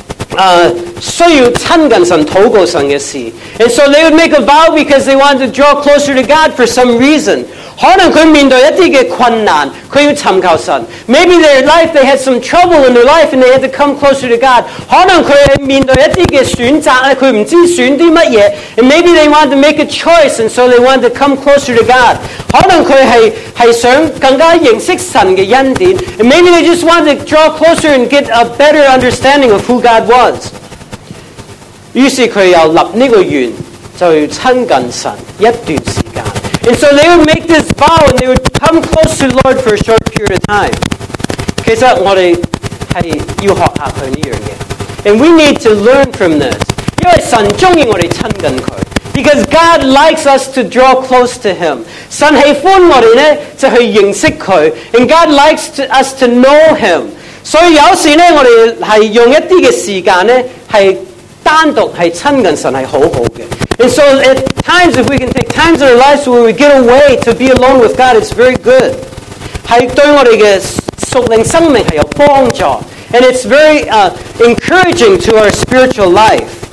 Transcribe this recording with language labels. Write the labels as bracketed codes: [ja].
[zh] 那個立個許願給神是為了某些事情,或者某些需要親近神,禱告神的事。 [en] And so they would make a vow because they wanted to draw closer to God for some reason. [zh] 可能他面對一些困難,他要尋求神。 [en] Maybe their life, they had some trouble in their life and they had to come closer to God. [zh] 可能他面對一些選擇,他不知道選什麼。 [en] And maybe they wanted to make a choice and so they wanted to come closer to God. [zh] 可能他是想更加認識神的恩典。 [en] And maybe they just wanted to draw closer and get a better understanding of who God was. [zh] 於是他又立這個願,就要親近神一段時間。 [en] And so they would make this vow and they would come close to the Lord for a short period of time. [zh] 其實我們是要學習他這件事。 [en] And we need to learn from this. [zh] 因為神喜歡我們親近他。 [en] Because God likes us to draw close to Him. [zh] 神喜歡我們去認識他。 [en] And God likes us to know Him. [zh] 所以有時我們是用一些時間是單獨是親近神是好好的。 [en] And so at times, if we can take times in our lives where we get away to be alone with God, it's very good. [zh] 是对我们的属灵生命是有帮助。 [en] And it's very encouraging to our spiritual life.